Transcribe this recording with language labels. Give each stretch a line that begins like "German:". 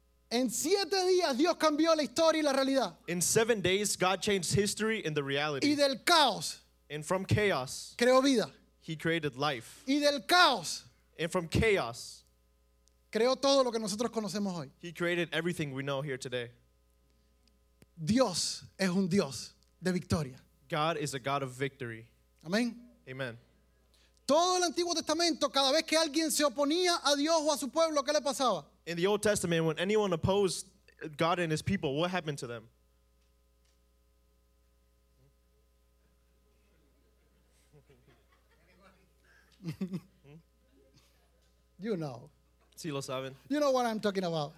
Spanish: En 7 días Dios cambió la historia y la realidad.
English: In 7 days God changed history and the reality.
Spanish: Y del caos.
English: And from chaos.
Spanish: Creó vida.
English: He created life.
Spanish: Y del caos.
English: And from chaos.
Spanish: Creó todo lo que nosotros conocemos hoy.
English: He created everything we know here today.
Spanish: Dios es un Dios de victoria.
English: God is a God of victory. Amen. Amen.
Spanish: Todo el Antiguo Testamento, cada vez que alguien se oponía a Dios o a su pueblo, ¿qué le pasaba?
English: In the Old Testament, when anyone opposed God and his people, what happened to them? You know.
Spanish: Sí lo saben.
English: You know what I'm talking about.